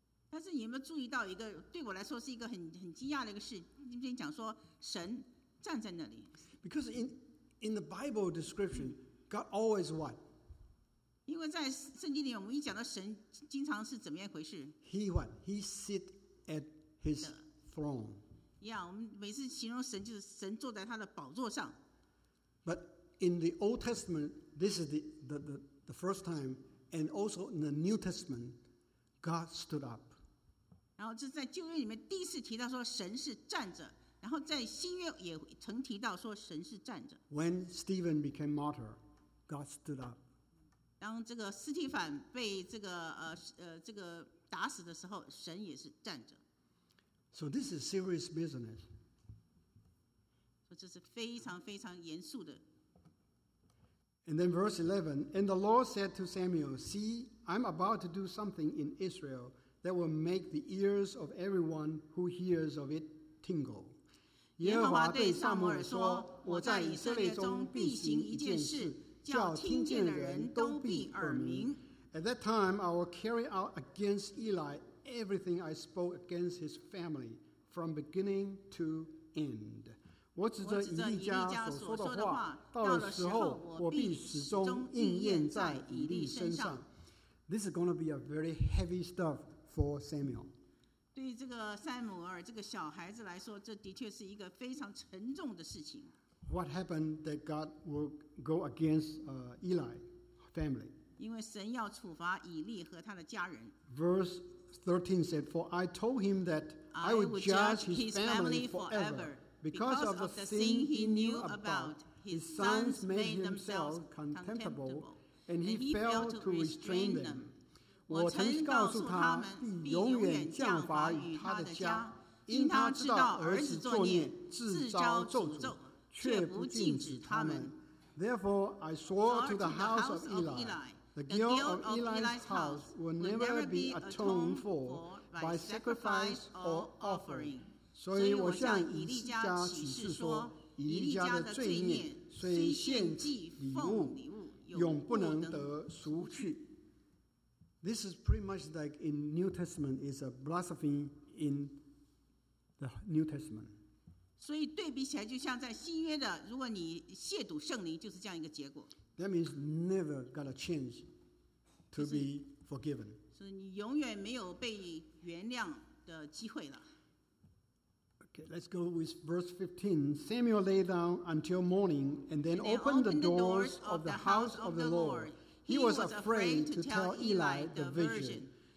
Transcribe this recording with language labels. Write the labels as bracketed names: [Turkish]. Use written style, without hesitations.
[Chinese] 但是你有没有注意到一个对我来说是一个 很惊讶的一个事，你们讲说神站在那里。 [English] Because in the Bible description, God always what? [Chinese] 因为在圣经里我们一讲到神经常是怎么样回事。 [English] He what? He sit at his throne. [Chinese] Yeah, 我们每次形容神就是神坐在他的宝座上。 [English] But in the Old Testament, this is the first time, and also in the New Testament, God stood up. [Chinese] 然后这在旧约里面第一次提到说神是站着，然后在新约也曾提到说神是站着。 [English] When Stephen became martyr, God stood up. [Chinese] 当这个斯提凡被这个打死的时候，神也是站着。 [English] So this is serious business. [Chinese] 所以这是非常非常严肃的。 [English] And then verse 11, and the Lord said to Samuel, "See, I'm about to do something in Israel." That will make the ears of everyone who hears of it tingle. [Chinese] 耶和华对撒母耳说，我在以色列中必行一件事，叫听见的人都必耳鸣。 [English] At that time, I will carry out against Eli everything I spoke against his family from beginning to end. [Chinese] 我指着以利家所说的话，到了时候，我必始终应验在以利身上。 [English] This is going to be a very heavy stuff. For Samuel, [Chinese] 对这个撒母耳这个小孩子来说，这的确是一个非常沉重的事情。 [English] What happened that God will go against Eli family? [Chinese] 因为神要处罚以利和他的家人。 [English] Verse 13 said, "For I told him that I would judge his family forever because of the thing he knew about. His sons made themselves contemptible, and he failed to restrain them." [Chinese] 我曾告诉他必永远降罚与他的家，因他知道儿子作孽，自招咒诅，却不禁止他们。 [English] Therefore I swore to the house of Eli, the guilt of Eli's house will never be atoned for by sacrifice or offering. [Chinese] 所以我向以利家起誓说，以利家的罪孽虽献祭礼物，永不能得赎去。 [English] This is pretty much like in New Testament is a blasphemy in the New Testament. [Chinese] 所以对比起来，就像在新约的，如果你亵渎圣灵，就是这样一个结果。 [English] That means never got a chance to be forgiven. [Chinese] 所以你永远没有被原谅的机会了。 [English] Okay, let's go with verse 15. Samuel lay down until morning, and then opened the doors of the house of the Lord. He was afraid to tell Eli the vision.